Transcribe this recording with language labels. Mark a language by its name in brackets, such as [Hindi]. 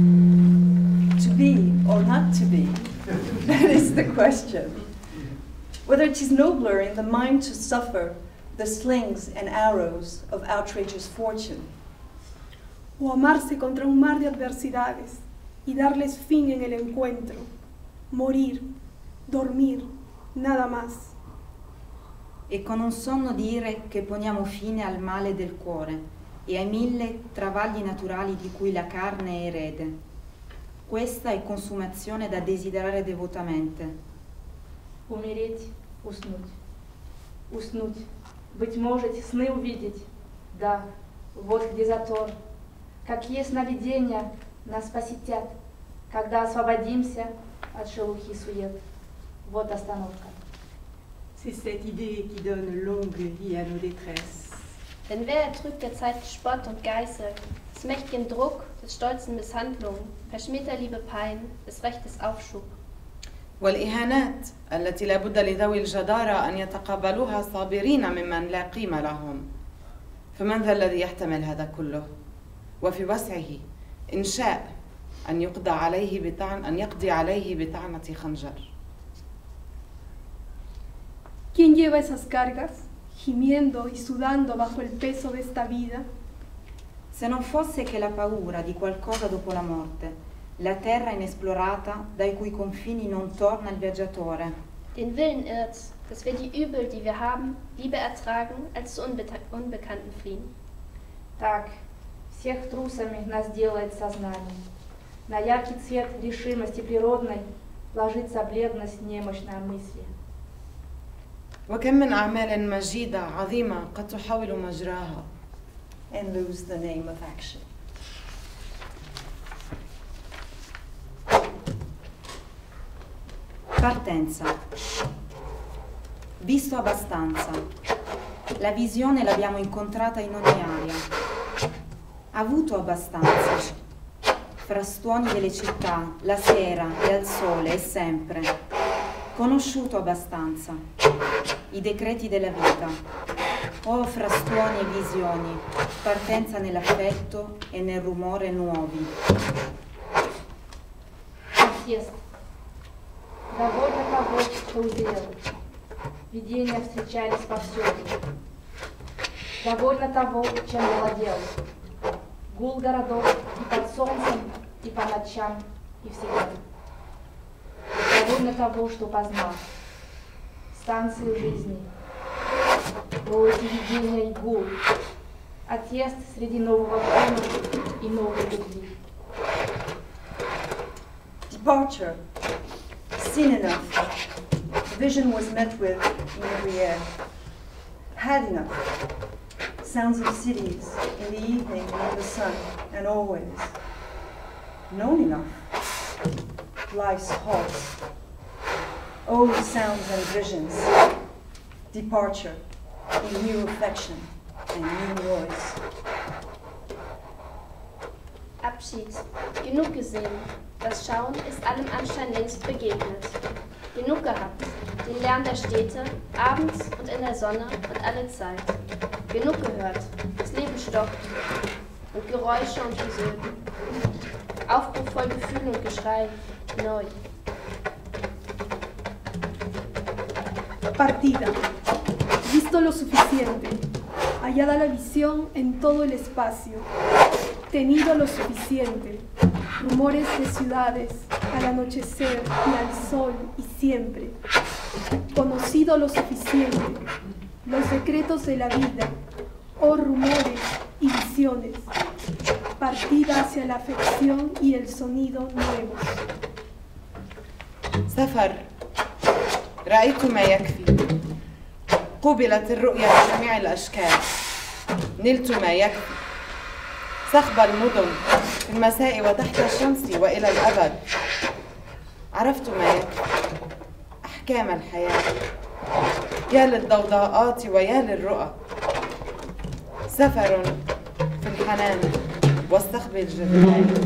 [English] To be or not to be, that is the question. Whether it is nobler in the mind to suffer the slings and arrows of outrageous fortune. [Spanish] O amarse contra un mar de adversidades y darles fin en el encuentro. Morir, dormir, nada más. [Italian] E con un sonno dire che poniamo fine al male del cuore e ai mille travagli naturali di cui la carne è erede. Questa è consumazione da desiderare devotamente. [Russian] Умереть, уснуть. Уснуть, быть может, сны увидеть. Да, вот где затор. Какие сновидения нас посетят, когда освободимся от шелухи сует. Вот остановка. [French] C'est cette idée qui donne longue vie à nos détresses. [German] Denn wer ertrügt der Zeit Spott und Geißel, des mächtigen Druck, des stolzen Misshandlung, verschmäht der Liebe Pein, des Rechtes Aufschub. [Arabic] والإهانات التي لابد لذوي الجدارة أن يتقبلوها صابرين ممن لا قيمة لهم. فمن ذا الذي يحتمل هذا كله؟ وفي وسعه إن شاء أن يقضى عليه أن يقضي عليه بطعنة خنجر. [Spanish] ¿Quién lleva esas cargas, gimiendo y sudando bajo el peso de esta vida? [Italian] Se non fosse che la paura di qualcosa dopo la morte. La terra inesplorata, dai cui confini non torna il viaggiatore. [German] Den Willen irrt, dass wir die Übel, die wir haben, lieber ertragen, als zu Unbekannten fliehen. [Russian] Так, всех трусами нас делает сознание. На яркий цвет решимости природной ложится бледность немощной мысли. [Arabic] وكم من أعمال مجيدة عظيمة قد تحول مجراها. [English] And lose the name of action. [Italian] Partenza. Visto abbastanza. La visione l'abbiamo incontrata in ogni aria. Avuto abbastanza. Frastuoni delle città, la sera e al sole e sempre. Conosciuto abbastanza. I decreti della vita. Oh, frastuoni e visioni. Partenza nell'affetto e nel rumore nuovi. [English] Yes. [Russian] Довольно того, что уверен, видения встречались повсюду. Довольно того, чем владел. Гул городов и под солнцем, и по ночам, и всегда. Довольно того, что познал. Станции жизни. Был эти видения и гул. Отъезд среди нового дома и новой любви. [English] Departure. Seen enough, vision was met with in every air. Had enough, sounds of cities in the evening under the sun and always. Known enough, life's halt. Oh, sounds and visions, departure in new affection and new voice. [German] Abschied, genug gesehen. Das Schauen ist allem Anschein längst begegnet. Genug gehabt, den Lärm der Städte, abends und in der Sonne und alle Zeit. Genug gehört, das Leben stockt und Geräusche und Gesöhn. Aufbruch voll Gefühl und Geschrei, neu. [Spanish] Partida. Visto lo suficiente. Hallada la visión en todo el espacio. Tenido lo suficiente. Rumores de ciudades, al anochecer y al sol y siempre. Conocido lo suficiente, los secretos de la vida, o rumores y visiones, partida hacia la afección y el sonido nuevo. [Arabic] سفر رأيت ما يكفي قبلت الرؤية لجميع الأشكال نلت ما يكفي صخب المدن في المساء وتحت الشمس وإلى الأبد عرفت ما يكفي أحكام الحياة يا للضوضاءات ويا للرؤى سفر في الحنان والصخب الجبلي